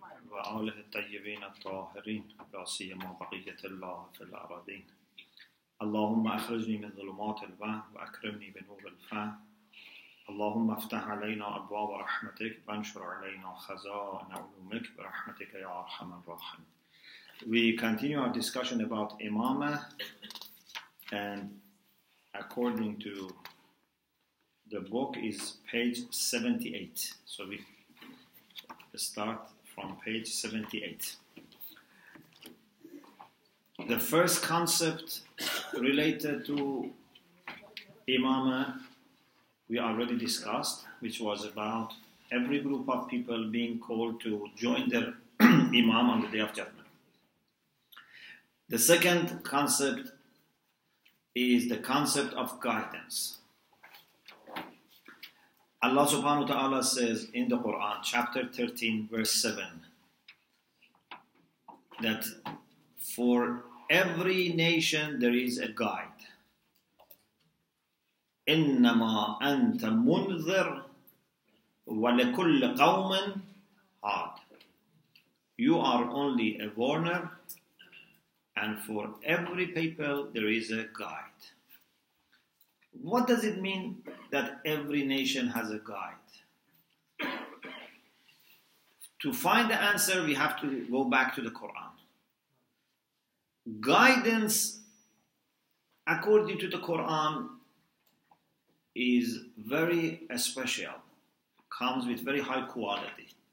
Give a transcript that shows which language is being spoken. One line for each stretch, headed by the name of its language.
Arabic: وآله الطيبين الطاهرين لا سيما بقية الله في الأرضين اللهم أخرجني من ظلمات الوهم وأكرمني بنور الفهم اللهم افتح علينا ابواب رحمتك وانشر علينا خزائن علومك برحمتك يا ارحم الراحمين.
English: We continue our discussion about imama, and according to the book is page 78. So we start from page 78. The first concept related to imama we already discussed, which was about every group of people being called to join their imam on the Day of Judgment. The second concept is the concept of guidance. Allah subhanahu wa ta'ala says in the Quran, chapter 13, verse 7, that for every nation there is a guide.
Arabic: إنما أنت منذر ولكل قوم هاد.
English: You are only a warner, and for every people there is a guide. What does it mean that every nation has a guide? To find the answer, we have to go back to the Quran. Guidance, according to the Quran, is very special, comes with very high quality.